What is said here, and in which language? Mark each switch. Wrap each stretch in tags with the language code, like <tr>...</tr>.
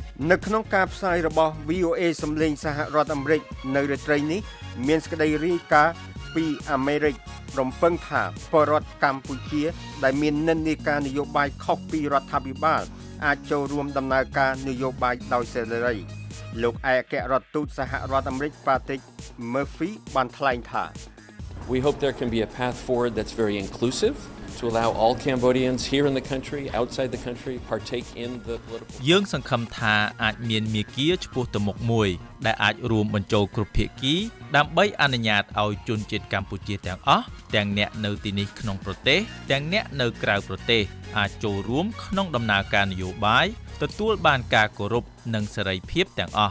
<km>នៅក្នុងការផ្សាយរបស់ VOA សំឡេងសហរដ្ឋអាមេរិកនៅរាត្រីនេះមានសេចក្តីរាយការណ៍ពីអាមេរិករំពឹងថាពលរដ្ឋកម្ពុជាដែលមាននិន្នាការនយោបាយខុសពីរដ្ឋាភិបាលអាចចូលរួមដំណើរការនយោបាយដោយសេរីលោកឯកអគ្គរដ្ឋទូតសហរដ្ឋអាមេរិកប៉ាត្រិក មឺហ្វីបានថ្លែងថា</km> <en>We hope there can be a path forward that's very inclusive to allow all Cambodians here in the country outside the country partake in the political</en> <km>យើងសង្ឃឹមថាអាចមានមាគ៌ាឆ្ពោះទៅមុខមួយដែលអាចរួមបញ្ចូលគ្រប់ភាគីដើម្បីអនុញ្ញាតឲ្យជនជាតិកម្ពុជាទាំងអស់ទាំងអ្នកនៅទីនេះក្នុងប្រទេសទាំងអ្នកនៅក្រៅប្រទេសអាចចូលរួមក្នុងដំណើរការនយោបាយទទួលបានការគោរពនិងសេរីភាពទាំងអស</km>